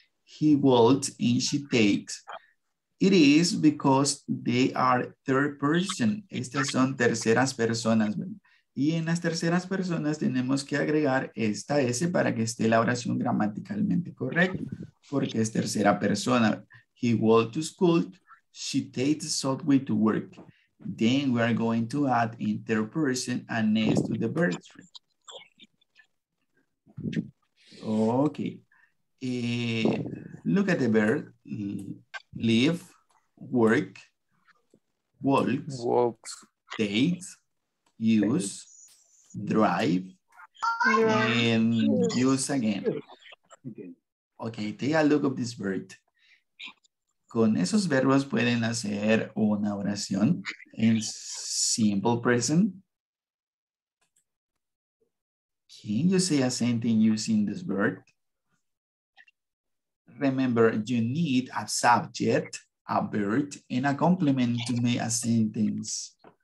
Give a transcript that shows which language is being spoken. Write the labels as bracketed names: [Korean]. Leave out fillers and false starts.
[English] He walks and she takes. It is because they are third person. [Spanish] Estas son terceras personas, ¿verdad? Y en las terceras personas tenemos que agregar esta S para que esté la oración gramaticalmente correcta, porque es tercera persona. [English] He walks to school. She takes the subway to work. Then we are going to add in third person and next to the verb. Okay. Look at the verb. Live, work, walks, takes, use, drive, and use again. Okay, take a look at this verb. [Spanish] Con esos verbos pueden hacer una oración en simple present. [English] Can you say a sentence using this verb? Remember, you need a subject, a verb, and a complement to make a sentence.